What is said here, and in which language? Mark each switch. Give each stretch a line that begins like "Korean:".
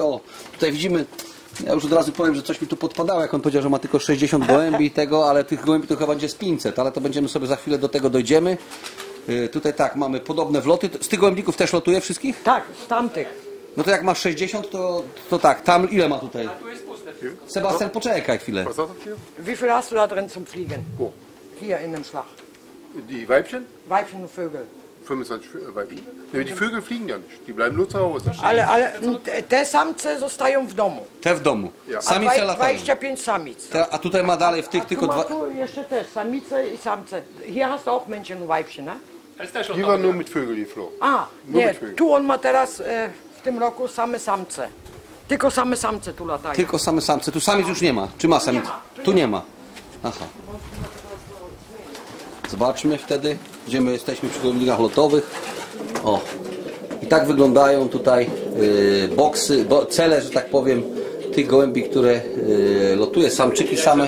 Polish: O, tutaj widzimy, ja już od razu powiem, że coś mi tu podpadało, jak on powiedział, że ma tylko 60 gołębi tego, ale tych gołębi to chyba będzie z 500, ale to będziemy sobie za chwilę do tego dojdziemy. Tutaj tak, mamy podobne wloty, z tych gołębników też lotuje wszystkich? Tak, z tamtych. No to jak masz 60, to tak, tam ile ma tutaj? Tu jest puste. Sebastian, poczekaj chwilę.
German: Wie viel hast du da drin zum fliegen? Wo? Hier in dem Schlag. Die Weibchen? Weibchen und Vögel. 25 Weibchen. Die Vögel fliegen ja nicht. Die bleiben nur zu Hause.
Polish: Ale te samce zostają w domu. Te w domu. Ja. Samice latają. 25 samic. A tutaj ma dalej w tych a tylko tu dwa. Tu jeszcze też samice i samce.
German: Hier hast du auch Männchen und Weibchen, ne? Hier war nur mit Vögel die Flo.
Polish: A, nie. Tu on ma teraz w tym roku same samce. Tylko same samce tu latają. Tylko same samce. Tu samic już nie ma. Czy ma samic? Nie ma. Tu nie ma. Aha. Zobaczmy wtedy, gdzie my jesteśmy przy gołębnikach lotowych. O, i tak wyglądają tutaj boksy, cele, że tak powiem, tych gołębi, które lotuje, samczyki same.